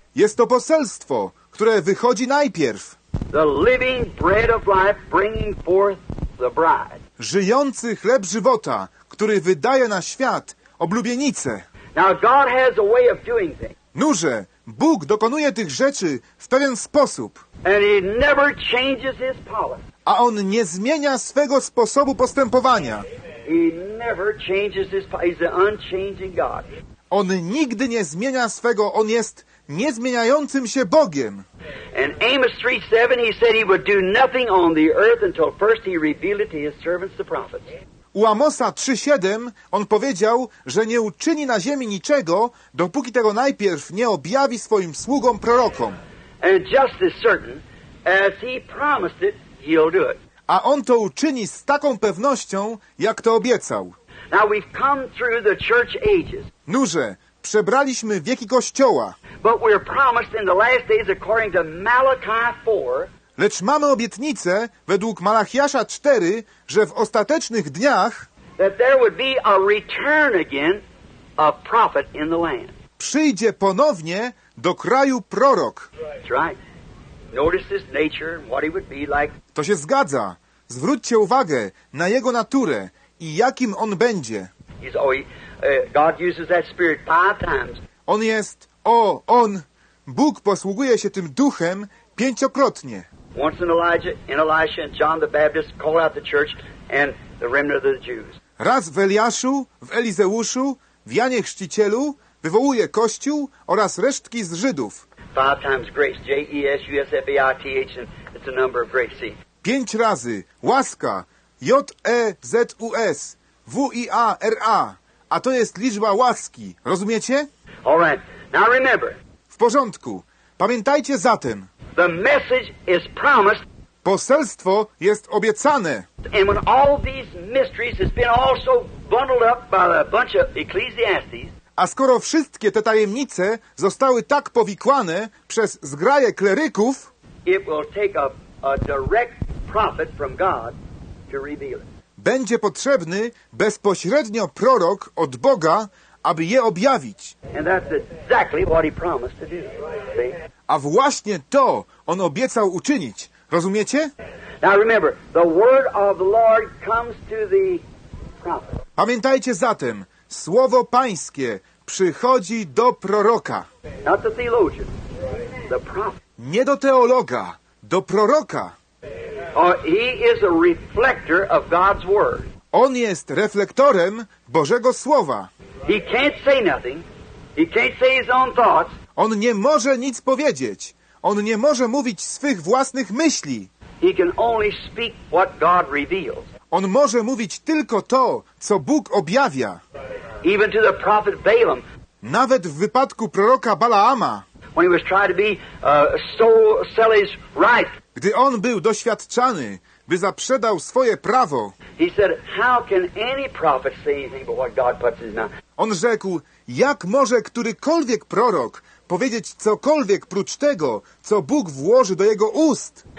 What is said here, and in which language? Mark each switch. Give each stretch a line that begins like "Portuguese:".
Polish: Jest to poselstwo, które wychodzi najpierw.
English: The living bread of life bringing forth the bride.
Polish: Żyjący chleb żywota, który wydaje na świat oblubienicę.
English: Now God has a way of doing things.
Polish: Nurze, Bóg dokonuje tych rzeczy w pewien sposób.
English: And he never changes his policy.
Polish: A On nie zmienia swego sposobu postępowania.
English: He never changes his policy. He's an unchanging God.
Polish: On nigdy nie zmienia swego, On jest niezmieniającym się Bogiem.
English: In Amos 3:7 he said he would do nothing on the earth until first he revealed it to his servants the prophets.
Polish: U Amosa 3:7 on powiedział, że nie uczyni na ziemi niczego, dopóki tego najpierw nie objawi swoim sługom prorokom.
English: And just as certain as he promised it, he'll do it.
Polish: A on to uczyni z taką pewnością, jak to obiecał.
English: Now we've come through the church ages.
Polish: Nurze, przebraliśmy wieki Kościoła.
English: But we're promised in the last days according to Malachi 4.
Polish: Lecz mamy obietnicę według Malachiasza 4, że w ostatecznych dniach
English: that there would be a return again of prophet in the land.
Polish: Przyjdzie ponownie do kraju prorok.
English: Right. Notice his nature and what he would be like.
Polish: To się zgadza. Zwróćcie uwagę na jego naturę i jakim on będzie.
English: God uses that spirit 5 times.
Polish: On jest, Bóg posługuje się tym duchem 5-krotnie.
English: Once in Elijah, and Elisha, and John the Baptist call out the church and the remnant of the Jews.
Polish: Raz w Eliaszu, w Elizeuszu, w Janie Chrzcicielu wywołuje Kościół oraz resztki z Żydów.
English: Five times grace, J-E-S-U-S-F-E-I-T-H, and it's a number of grace seed.
Polish: Pięć razy łaska, J-E-Z-U-S, W-I-A-R-A, a to jest liczba łaski, rozumiecie?
English: All right, now remember.
Polish: W porządku, pamiętajcie zatem.
English: The message is promised.
Polish: Poselstwo jest obiecane.
English: And when all these mysteries has been also bundled up by a bunch of ecclesiastes.
Polish: A skoro wszystkie te tajemnice zostały tak powikłane przez zgraje kleryków,
English: it will take a direct prophet from God to reveal it.
Polish: Będzie potrzebny bezpośrednio prorok od Boga, aby je objawić.
English: And that's exactly what he promised to do. See?
Polish: A właśnie to on obiecał uczynić. Rozumiecie?
English: Now remember, the word of the Lord comes to the prophet.
Polish: Pamiętajcie zatem, Słowo Pańskie przychodzi do proroka.
English: Not the theologian, the prophet.
Polish: Nie do teologa, do proroka.
English: He is a reflector of God's word.
Polish: On jest reflektorem Bożego Słowa.
English: He can't say nothing. He can't say his own thoughts.
Polish: On nie może nic powiedzieć. On nie może mówić swych własnych myśli.
English: He can only speak what God reveals.
Polish: On może mówić tylko to, co Bóg objawia.
English: Even to the prophet Balaam.
Polish: Nawet w wypadku proroka Balaama.
English: When he was tried to be stole Sally's right.
Polish: Gdy on był doświadczany, by zaprzedał swoje prawo.
English: He said, how can any prophet say anything but what God puts in his mouth?
Polish: On rzekł, jak może którykolwiek prorok powiedzieć cokolwiek prócz tego, co Bóg włoży do jego ust.